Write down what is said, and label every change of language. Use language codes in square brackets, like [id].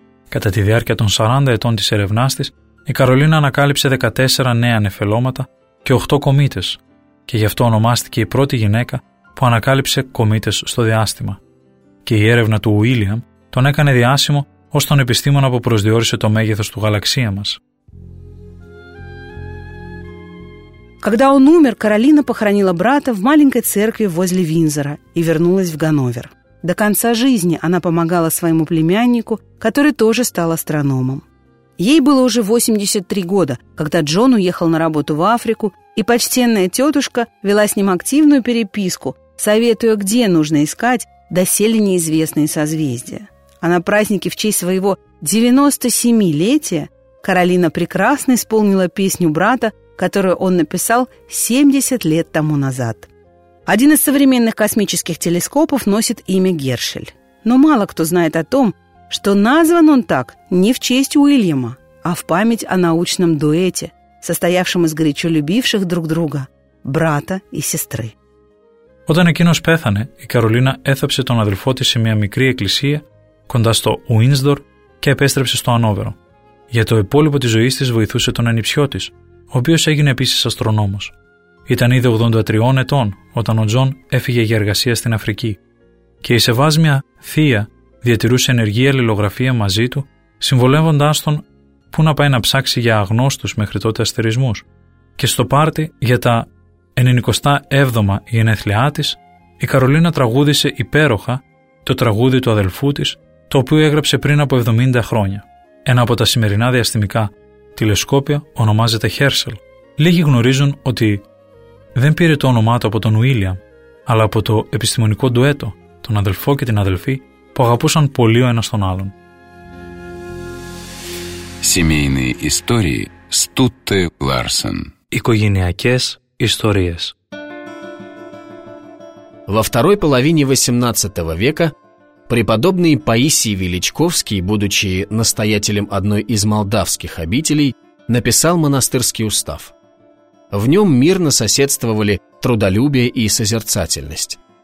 [el] Κατά τη διάρκεια των 40 ετών της ερευνάς της, η Καρολίνα ανακάλυψε 14 νέα νεφελώματα και 8 κομήτες, και γι' αυτό ονομάστηκε η πρώτη γυναίκα που ανακάλυψε κομήτες στο διάστημα. Και η έρευνα του Ουίλιαμ τον έκανε διάσημο ως τον επιστήμονα που προσδιορίσε το μέγεθος του γαλαξία μας. [ru] Когда он умер, Каролина похоронила брата в маленькой церкви возле Винзора и вернулась в Ганновер. До конца жизни она помогала своему племяннику, который тоже стал астрономом. Ей было уже 83 года, когда Джон уехал на работу в Африку, и почтенная тетушка вела с ним активную переписку, советуя, где нужно искать доселе неизвестные созвездия. А на празднике в честь своего 97-летия Каролина прекрасно исполнила песню брата, которую он написал 70 лет тому назад. Один из современных космических телескопов носит имя Гершель. Но мало кто знает о том, что назван он так не в честь Уильяма, а в память о научном дуэте, состоявшем из горячо любивших друг друга брата и сестры. [el] Όταν εκείνος πέθανε, η Καρολίνα έθαψε τον αδελφό της σε μια μικρή εκκλησία κοντά στο Ουίνσδορ και επέστρεψε στο Ανόβερο. Για το υπόλοιπο της ζωής της βοηθούσε τον ανιψιό της, ο οποίος έγινε επίσης αστρονόμος. Ήταν ήδη 83 ετών όταν ο Τζον έφυγε για εργασία στην Αφρική και η σεβάσμια θεία διατηρούσε ενεργή αλληλογραφία μαζί του, συμβολεύοντάς τον πού να πάει να ψάξει για αγνώστους μέχρι τότε αστερισμούς. Και στο πάρτι για τα 97η γενέθλιά της, η Καρολίνα τραγούδησε υπέροχα το τραγούδι του αδελφού της, το οποίο έγραψε πριν από 70 χρόνια. Ένα από τα σημερινά διαστημικά τηλεσκόπια ονομάζεται Χέρσελ. Λίγοι γνωρίζουν ότι δεν πήρε το όνομά του από τον Ουίλιαμ, αλλά από το επιστημονικό ντουέτο, τον αδελφό και την αδελφή, που αγαπούσαν πολύ ο ένας τον άλλον. [ru] Семейные истории Стутте Ларсен. [el] Οικογενειακές ιστορίες. [ru] Во второй половине XVIII века преподобный Паисий Величковский, будучи настоятелем одной из молдавских обителей, написал монастырский устав. В нем мирно соседствовали трудолюбие и созерцательность.